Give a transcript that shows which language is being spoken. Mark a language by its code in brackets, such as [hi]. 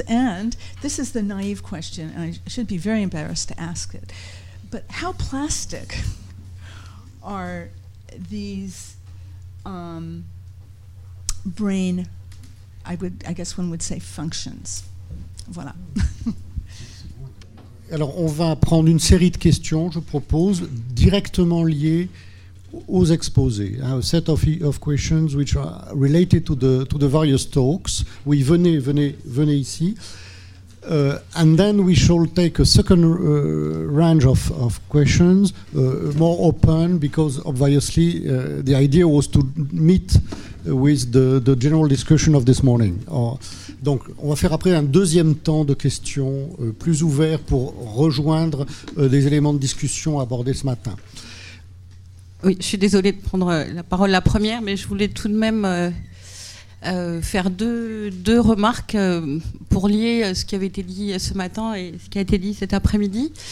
[en] And this is the naive question, and I should be very embarrassed to ask it, but how plastic are these brain, I guess one would say functions? [fr] Voilà. Alors, on va prendre une série de questions, je propose, directement liées aux exposés. [en] A set of questions which are related to the various talks. [fr] Oui, venez, venez, venez ici. [en] And then we shall take a second range of questions, more open, because obviously the idea was to meet with the general discussion of this morning. [fr] Donc, on va faire après un deuxième temps de questions plus ouvert pour rejoindre des éléments de discussion abordés ce matin. Oui, je suis désolée de prendre la parole la première, mais je voulais tout de même faire deux remarques pour lier ce qui avait été dit ce matin et ce qui a été dit cet après-midi.